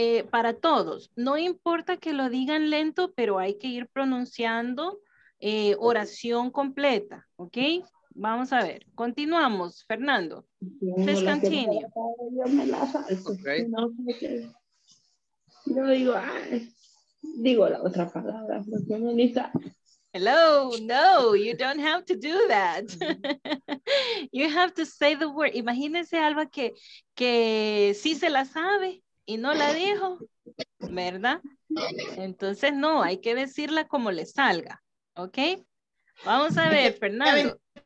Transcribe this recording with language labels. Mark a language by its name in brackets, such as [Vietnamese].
[Spanish] Para todos, no importa que lo digan lento, pero hay que ir pronunciando oración completa, ¿ok? Vamos a ver. Continuamos, Fernando. [English] Please continue. [Spanish] Yo me la salto. Okay. No, yo digo, ay, digo la otra palabra. Porque no necesita. [English] Hello, no, you don't have to do that. You have to say the word. [Spanish] Imagínense Alba que sí se la sabe y no la dijo, ¿verdad? Entonces no, hay que decirla como le salga, ¿ok? Vamos a ver, Fernando.